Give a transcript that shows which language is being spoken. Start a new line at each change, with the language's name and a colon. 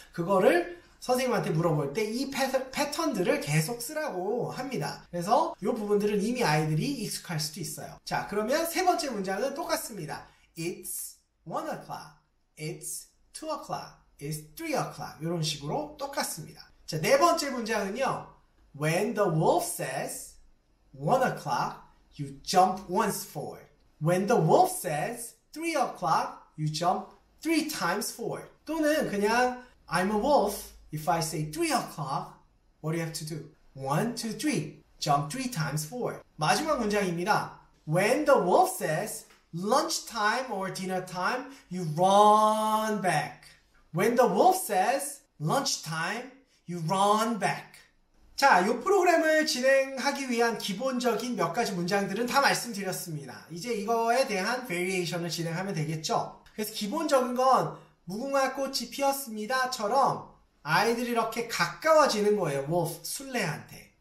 Korean: 그거를 선생님한테 물어볼 때이 패턴들을 계속 쓰라고 합니다. 그래서 이 부분들은 이미 아이들이 익숙할 수도 있어요. 자, 그러면 세 번째 문장은 똑같습니다.
English: It's 1 o'clock. It's 2 o'clock. It's 3 o'clock.
Korean: 이런 식으로 똑같습니다. 자, 네 번째 문장은요.
English: When the wolf says 1 o'clock, you jump once forward. When the wolf says 3 o'clock, you jump 3 times forward.
Korean: 또는 그냥
English: I'm a wolf. If I say 3 o'clock, what do you have to do? 1, 2, 3. Jump 3 times forward.
Korean: 마지막 문장입니다.
English: When the wolf says lunchtime or dinner time, you run back. When the wolf says lunchtime, you run back.
Korean: 자, 이 프로그램을 진행하기 위한 기본적인 몇 가지 문장들은 다 말씀드렸습니다. 이제 이거에 대한 variation을 진행하면 되겠죠? 그래서 기본적인 건 무궁화 꽃이 피었습니다처럼 아이들이 이렇게 가까워지는 거예요, Wolf, 술래한테.